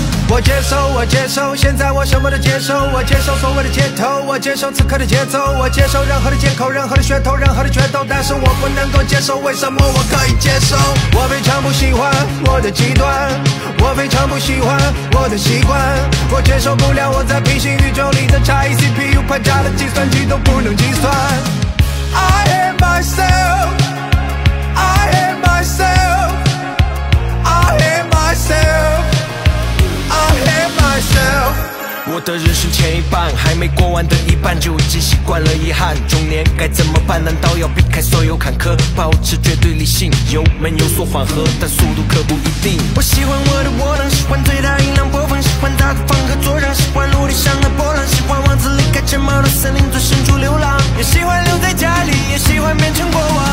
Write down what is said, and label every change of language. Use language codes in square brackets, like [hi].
[zh] 我接受我接受现在我什么都接受，我接受所谓的街头，我接受此刻的节奏，我接受任何的借口，任何的噱头，任何的决斗，但是我不能够接受为什么我可以接受，我非常不喜欢我的极端，我非常不喜欢我的习惯，我接受不了我在平行宇宙里的差异， CPU 快加的计算机都不能计算。 [en] I hate myself, I hate myself, I hate myself, I hate myself。 [zh] 我的人生前一半还没过完的一半，就已经习惯了遗憾，中年该怎么办，难道要避开所有坎坷，保持绝对理性，油门有所缓和，但速度可不一定，我喜欢我的涡轮，喜欢最大音量播放，喜欢大的放歌作战，喜欢陆地上的波浪，喜欢王子离开城堡的森林做深处流浪，也喜欢留在家里，也喜欢变成国王，